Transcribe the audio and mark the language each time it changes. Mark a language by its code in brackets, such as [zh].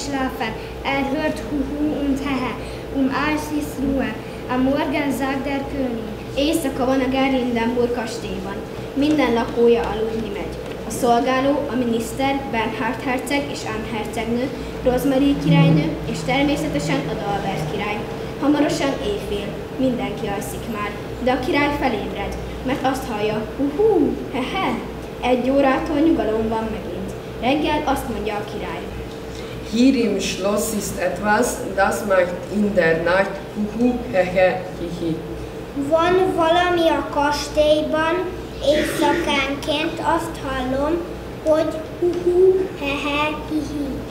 [de] Und Herr, um alles ist Ruhe. Am Morgen sagt der König. [hu] Éjszaka van a Gerlindenburg kastélyban. Minden lakója aludni megy. A szolgáló, a miniszter, Bernhard herceg és Anne hercegnő, Rosemary királynő és természetesen Adalbert király. Hamarosan éjfél, mindenki alszik már, de a király felébred, mert azt hallja, uhú, hehe, egy órától nyugalom van megint. Reggel azt mondja a király. [de] Hier im Schloss ist etwas, das macht in der Nacht huhu, hehe, hihi. [hu] Van valami a kastélyban, éjszakánként azt hallom, hogy huhu, hehe, hihi.